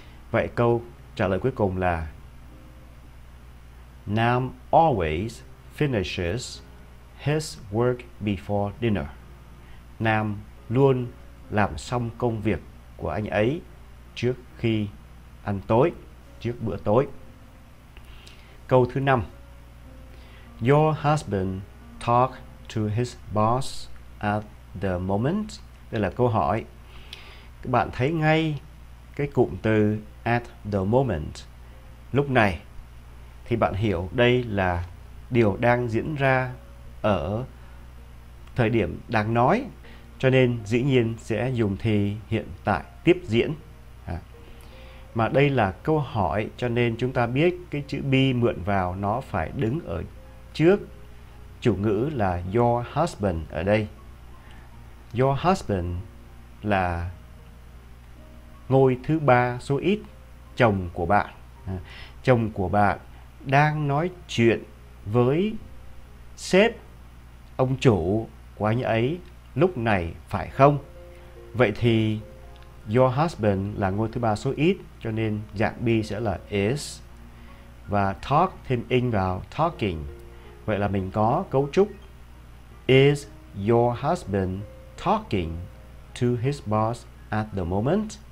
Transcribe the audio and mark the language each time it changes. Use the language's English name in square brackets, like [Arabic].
[Vietnamese] Vậy câu trả lời cuối cùng là [English] Nam always finishes his work before dinner. [Vietnamese] Nam luôn làm xong công việc của anh ấy trước khi ăn tối, trước bữa tối. Câu thứ 5. [English] Your husband talked to his boss at the moment. [Vietnamese] Đây là câu hỏi. Các bạn thấy ngay cái cụm từ [English] at the moment, [Vietnamese] lúc này, thì bạn hiểu đây là điều đang diễn ra ở thời điểm đang nói, cho nên dĩ nhiên sẽ dùng thì hiện tại tiếp diễn. Mà đây là câu hỏi, cho nên chúng ta biết cái chữ be mượn vào nó phải đứng ở trước chủ ngữ là [English] your husband [Vietnamese] ở đây. [English] Your husband [Vietnamese] là ngôi thứ ba số ít, chồng của bạn. Chồng của bạn đang nói chuyện với sếp, ông chủ của anh ấy lúc này, phải không? Vậy thì [English] your husband [Vietnamese] là ngôi thứ ba số ít, cho nên dạng be sẽ là is và talk thêm in vào talking. Vậy là mình có cấu trúc [English] is your husband talking to his boss at the moment?